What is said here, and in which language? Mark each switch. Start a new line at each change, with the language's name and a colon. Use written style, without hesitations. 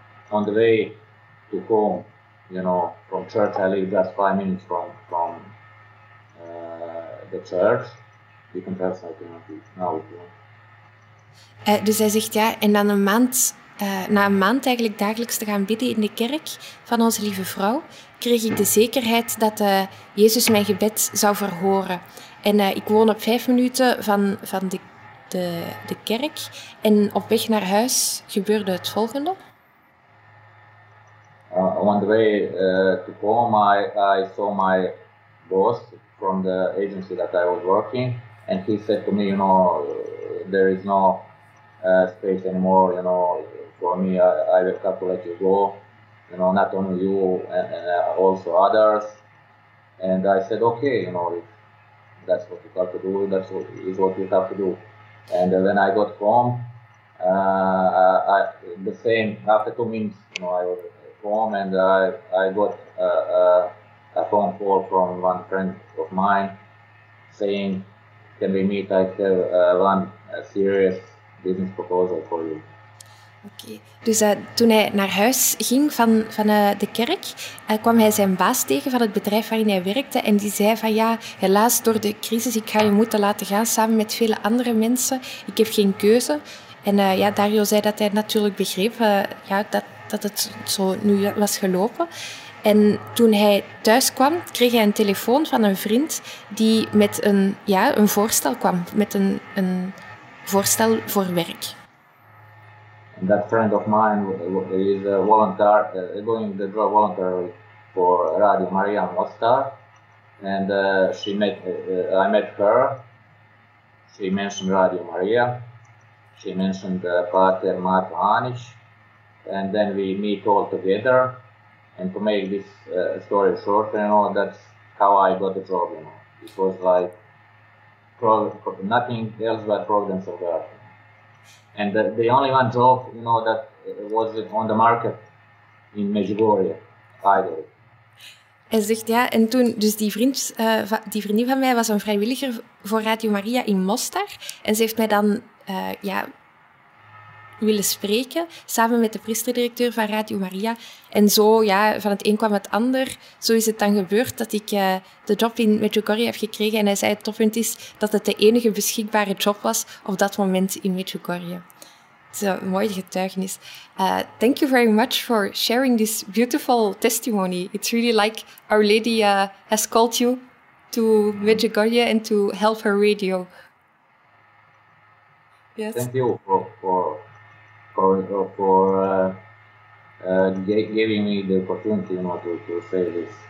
English: On the way to home, you know, from church, I live just 5 minutes from the church. You can tell us, I cannot be now with you.
Dutch: Dus hij zegt ja, en dan een maand, na een maand eigenlijk dagelijks te gaan bidden in de kerk van Onze Lieve Vrouw, kreeg ik de zekerheid dat Jezus mijn gebed zou verhoren. En ik woon op 5 minuten van de kerk. En op weg naar huis gebeurde het volgende.
English: On the way to home, I saw my boss from the agency that I was working, and he said to me, you know, there is no space anymore, you know, for me, I will have to let you go, you know, not only you, and also others. And I said, okay, you know, if that's what you have to do, that's what, is what you have to do. And when I got home, the same, after 2 minutes, you know, I was home, and I got a phone call from one friend of mine saying, can we meet? I have one serious business proposal for you.
Dutch: Oké, dus toen hij naar huis ging van de kerk, kwam hij zijn baas tegen van het bedrijf waarin hij werkte. En die zei van ja, helaas door de crisis, ik ga je moeten laten gaan samen met vele andere mensen. Ik heb geen keuze. En ja, Dario zei dat hij natuurlijk begreep dat het zo nu was gelopen. En toen hij thuis kwam, kreeg hij een telefoon van een vriend die met een voorstel kwam, met een voorstel voor werk.
English: That friend of mine is a volunteer, doing the job voluntarily for Radio Maria Mostar. And I met her. She mentioned Radio Maria. She mentioned Pater Marko Anić. And then we meet all together. And to make this story shorter, you know, that's how I got the job, you know. It was like nothing else but providence of God. And the only one job, you know, that was on the market in Medjugorje, either.
Dutch: Hij zegt ja, en toen, dus die vriendin van mij was een vrijwilliger voor Radio Maria in Mostar. En ze heeft mij dan willen spreken, samen met de priesterdirecteur van Radio Maria. En zo, ja, van het een kwam het ander, zo is het dan gebeurd dat ik de job in Medjugorje heb gekregen. En hij zei, het toppunt is dat het de enige beschikbare job was op dat moment in Medjugorje. Het is een mooie getuigenis.
English: Thank you very much for sharing this beautiful testimony. It's really like Our Lady has called you to Medjugorje and to help her radio. Yes. Thank you for giving me the opportunity, you know, to say this.